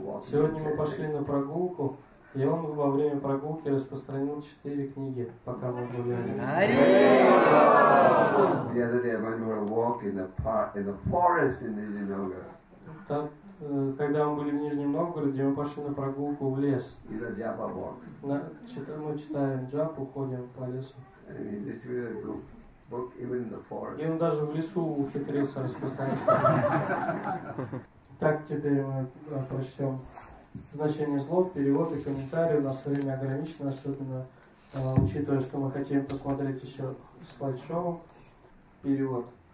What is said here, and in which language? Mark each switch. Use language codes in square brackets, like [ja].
[ru] Сегодня мы пошли на прогулку, и он во время прогулки распространил 4 книги, пока мы гуляли. [en] The other day I went for a walk in the park, in the forest in Nizhny Novgorod. [ru] когда мы были в Нижнем Новгороде, мы пошли на прогулку в лес. Это Джапа Бог. Мы читаем Джапу, ходим по лесу. И он даже в лесу ухитрился распространять. Так, теперь мы прочтем значение слов, перевод и комментарий. У нас время ограничено, особенно учитывая, что мы хотим посмотреть еще слайд-шоу. Перевод.